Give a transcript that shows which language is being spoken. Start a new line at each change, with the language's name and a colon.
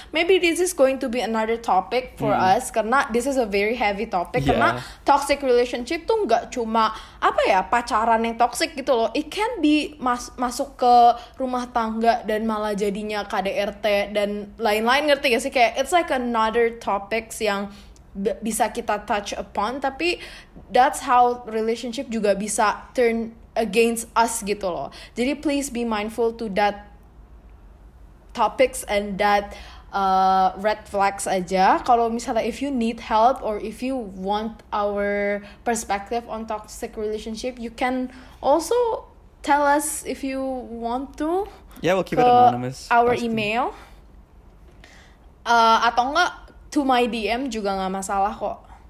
English: Maybe this is going to be another topic for us, karena this is a very heavy topic.
Indonesian: Yeah. Karena toxic relationship tuh gak cuma apa ya, pacaran yang toxic gitu loh.
English: It can be
Indonesian: masuk ke rumah tangga dan malah jadinya KDRT dan lain-lain, ngerti gak sih?
English: Kayak it's like another topics
Indonesian: yang bisa kita
English: touch upon, tapi that's how relationship
Indonesian: juga bisa
English: turn against us
Indonesian: gitu loh.
English: Jadi please be mindful to that topics and that red flags aja.
Indonesian: Kalau misalnya
English: if you need help or if you want our perspective on toxic relationship, you can also tell us if you want to. Yeah, we'll keep it anonymous. Our email.
Indonesian: Atau enggak
English: to my DM
Indonesian: juga enggak masalah kok.